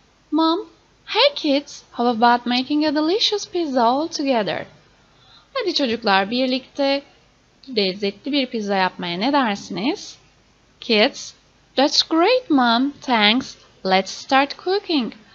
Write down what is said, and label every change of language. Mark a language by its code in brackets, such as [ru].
[en] Mom, hey kids, how about making a delicious pizza all together? [tr] Hadi çocuklar birlikte lezzetli bir pizza yapmaya ne dersiniz? [en] Kids, that's great mom, thanks, let's start cooking.